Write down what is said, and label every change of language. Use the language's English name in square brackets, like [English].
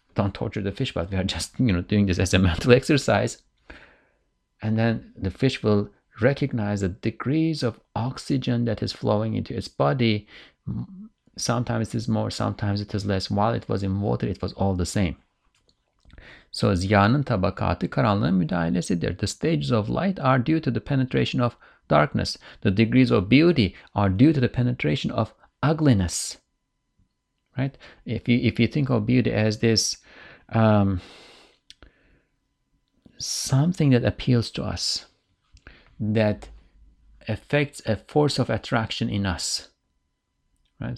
[English] Don't torture the fish, but we are just, you know, doing this as a mental exercise. And then the fish will recognize the degrees of oxygen that is flowing into its body. Sometimes it is more, sometimes it is less. While it was in water, it was all the same. [Turkish] So ziyanın tabakatı karanlığın müdahalesidir. [English] The stages of light are due to the penetration of darkness. The degrees of beauty are due to the penetration of ugliness. Right? If you think of beauty as this something that appeals to us, that affects a force of attraction in us. Right?